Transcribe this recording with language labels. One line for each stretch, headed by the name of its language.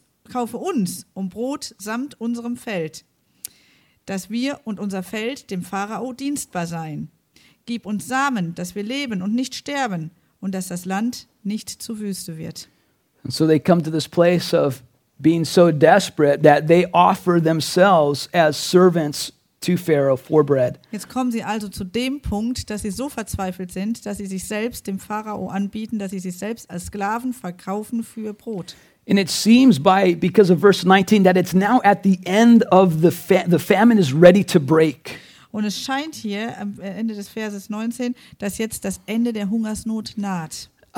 German: Kaufe uns um Brot samt unserem Feld, dass wir und unser Feld dem Pharao dienstbar seien. Gib uns Samen, dass wir leben und nicht sterben und dass das Land nicht zur Wüste wird.
English: And so they come to this place of being so desperate that they offer themselves as servants to Pharaoh for bread.
German: Jetzt kommen sie also zu dem Punkt, dass sie so verzweifelt sind, dass sie sich selbst dem Pharao anbieten, dass sie sich selbst als Sklaven verkaufen für Brot.
English: And it seems because of verse 19 that it's now at the end of the famine is ready to break.
German: Und es scheint hier am Ende des Verses 19, dass jetzt das Ende der Hungersnot naht.